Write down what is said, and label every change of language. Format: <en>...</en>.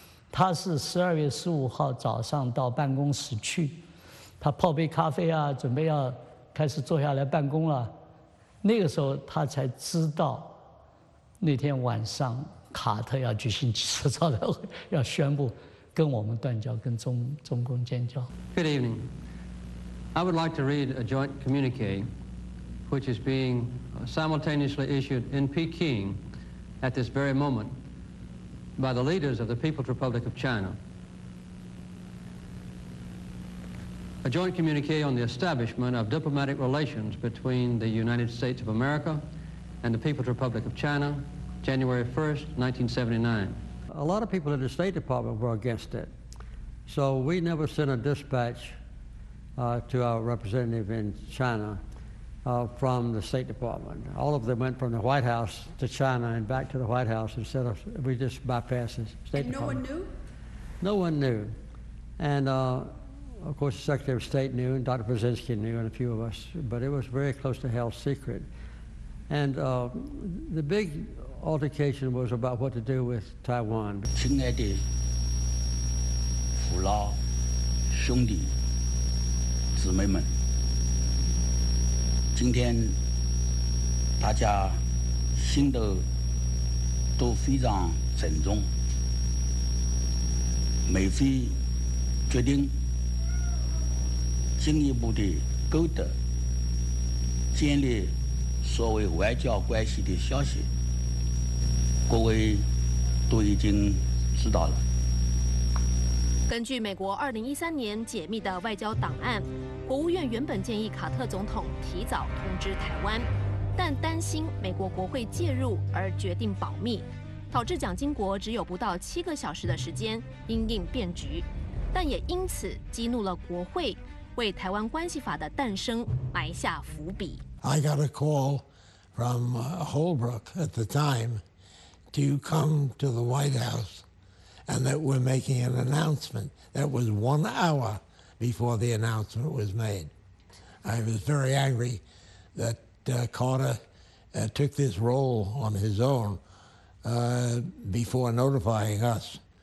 <zh>他是12月15号早上到办公室去，他泡杯咖啡啊，准备要开始坐下来办公了，那个时候他才知道那天晚上卡特要举行记者招待会，要宣布跟我们断交，跟中共建交。</zh> <en>Good eveningI would like to read a joint communique which is being simultaneously issued in Peking at this very moment by the leaders of the People's Republic of China. A joint communique on the establishment of diplomatic relations between the United States of America and the People's Republic of China, January 1st, 1979. A lot of people in the State Department were against it, so we never sent a dispatch. To our representative in China, from the State Department. All of them went from the White House to China and back to the White House instead of, we just bypassed the State And no one knew? No one knew. And of course, the Secretary of State knew, and Dr. Brzezinski knew, and a few of us, but it was very close to hell secret. And the big altercation was about what to do with Taiwan.</en> <zh>亲爱的父老兄弟姊妹们，今天大家心都非常沉重，美菲决定进一步的勾搭建立所谓外交关系的消息，各位都已经知道了。根据美国2013年解密的外交档案，国务院原本建议卡特总统提早通知台湾，但担心美国国会介入而决定保密，导致蒋经国只有不到七个小时的时间因应变局，但也因此激怒了国会，为台湾关系法的诞生埋下伏笔。</zh> <en>I got a call from Holbrooke at the time to come to the White House and that we're making an announcement. That was 1 hour before the announcement was made. I was very angry that Carter took this role on his own before notifying us.</en>